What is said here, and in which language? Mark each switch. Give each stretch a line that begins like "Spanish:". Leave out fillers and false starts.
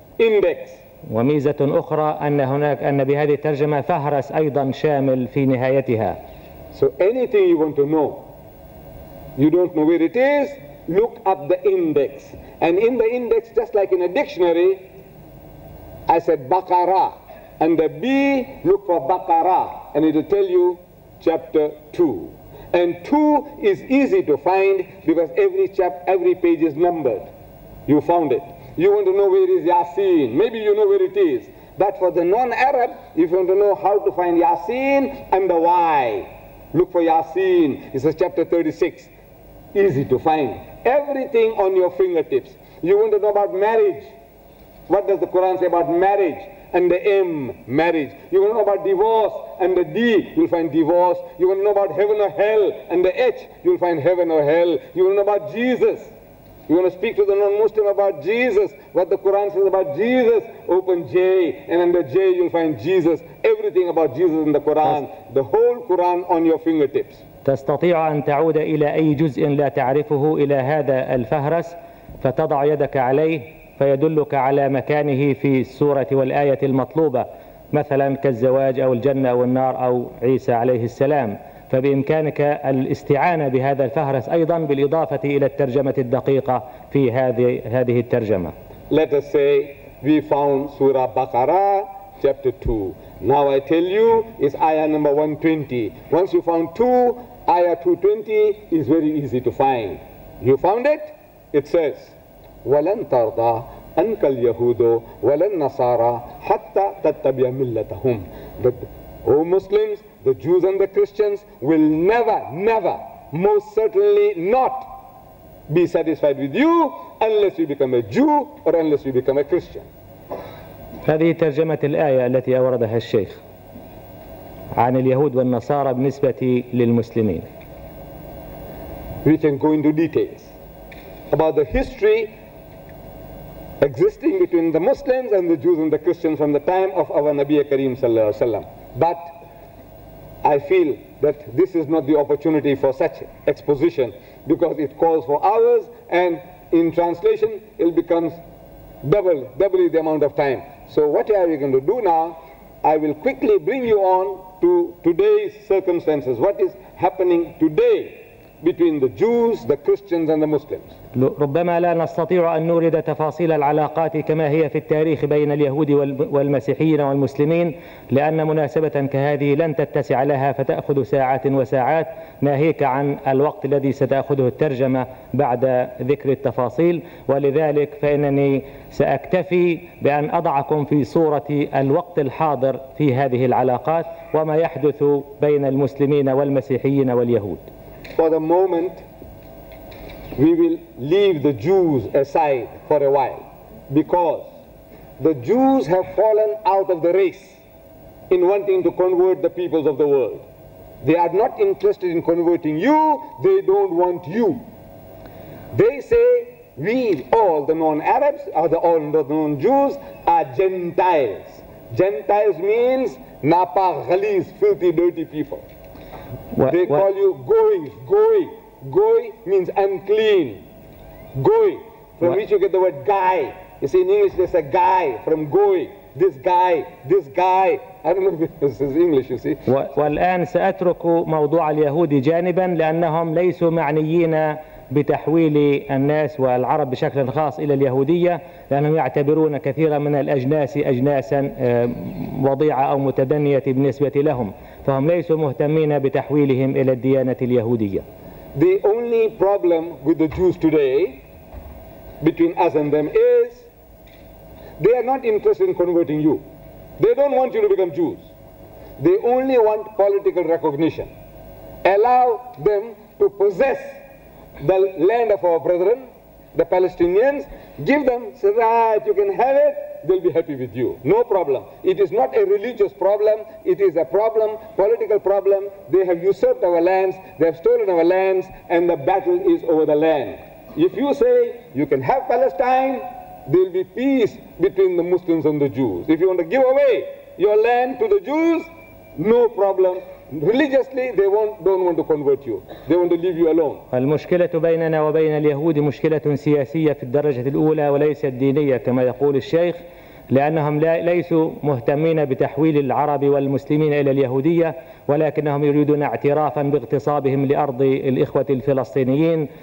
English: Index.
Arabic: وميزة أخرى أن هناك أن بهذه الترجمة فهرس أيضا شامل في نهايتها.
English: So anything you want to know, you don't know where it is, look up the index. And in the index, just like in a dictionary, I said Baqarah. And the B, look for Baqarah. And it will tell you chapter 2. And 2 is easy to find because every page is numbered. You found it. You want to know where is Yasin. Maybe you know where it is. But for the non-Arab, if you want to know how to find Yasin and the why, look for Yasin. It says chapter 36. Easy to find. Everything on your fingertips. You want to know about marriage, What does the Quran say about marriage? And the M, marriage. You will know about divorce. And the D, you'll find divorce. You will know about heaven or hell. And the H, you'll find heaven or hell. You will know about Jesus. You want to speak to the non-Muslim about Jesus. What the Quran says about Jesus. Open J, and under J, you'll find Jesus. Everything about Jesus in the Quran. The whole Quran on your fingertips.
Arabic: تستطيع أن تعود إلى أي جزء لا تعرفه إلى هذا الفهرس فتضع يدك عليه فيدلك على مكانه في السورة والآية المطلوبة مثلا كالزواج أو الجنة أو النار أو عيسى عليه السلام فبإمكانك الاستعانة بهذا الفهرس أيضا بالإضافة إلى الترجمة الدقيقة في هذه الترجمة.
English: Let us say we found Surah Baqarah chapter 2. Now I tell you is ayah number 120. Once you found 2, ayah 220 is very easy to find. You found it? It says,
Arabic: وَلَنْ تَرْضَى أَنْكَ الْيَهُودُ وَلَنْ نَصَارَى حَتَّى تَتَّبِيَ مِلَّتَهُمْ.
English: O Muslims, the Jews and the Christians will never, never, most certainly not be satisfied with you unless you become a Jew or unless you become a Christian.
Arabic: هذه ترجمة الآية التي أوردها الشيخ عن اليهود والنصارى بالنسبة للمسلمين.
English: We can go into details about the history existing between the Muslims and the Jews and the Christians from the time of our Nabi Kareem sallallahu alaihi wasallam. But I feel that this is not the opportunity for such exposition because it calls for hours and in translation it becomes doubly the amount of time. So what are we going to do now? I will quickly bring you on to today's circumstances. What is happening today between the Jews, the Christians, and the Muslims?
Arabic: ربما لا نستطيع أن نورد تفاصيل العلاقات كما هي في التاريخ بين اليهود والمسيحيين والمسلمين لأن مناسبة كهذه لن تتسع لها فتأخذ ساعات وساعات ناهيك عن الوقت الذي ستأخذه الترجمة بعد ذكر التفاصيل ولذلك فإنني سأكتفي بأن أضعكم في صورة الوقت الحاضر في هذه العلاقات وما يحدث بين المسلمين والمسيحيين واليهود.
English: For the moment, we will leave the Jews aside for a while because the Jews have fallen out of the race in wanting to convert the peoples of the world. They are not interested in converting you. They don't want you. They say, we, all the non-Arabs, or all the non-Jews, are Gentiles. Gentiles means napak, ghaliz, filthy, dirty people. They call you goy. Goy means unclean. Goy, from which you get the word guy. You see, in English, there's a guy from goy. This guy. I don't know if this is English, you see.
Arabic: والآن سأترك موضوع اليهود جانبا لأنهم ليسوا معنيين بتحويل الناس والعرب بشكل خاص إلى اليهودية لأنهم يعتبرون كثيرا من الأجناس أجناسا وضيعة أو متدنية بالنسبة لهم فهم ليسوا مهتمين بتحويلهم إلى الديانة اليهودية.
English: The only problem with the Jews today between us and them is they are not interested in converting you. They don't want you to become Jews. They only want political recognition. Allow them to possess the land of our brethren, the Palestinians. Give them, say, right, you can have it. They'll be happy with you. No problem. It is not a religious problem. It is a problem, political problem. They have usurped our lands. They have stolen our lands. And the battle is over the land. If you say you can have Palestine, there'll be peace between the Muslims and the Jews. If you want to give away your land to the Jews, no problem. Religiously, they don't want to convert you. They want to leave you alone.
Arabic: المشكلة بيننا وبين اليهود مشكلة سياسية في الدرجة الأولى وليس دينية كما يقول الشيخ لأنهم ليسوا مهتمين بتحويل العرب والمسلمين إلى اليهودية ولكنهم يريدون اعترافا باغتصابهم لأرض الإخوة الفلسطينيين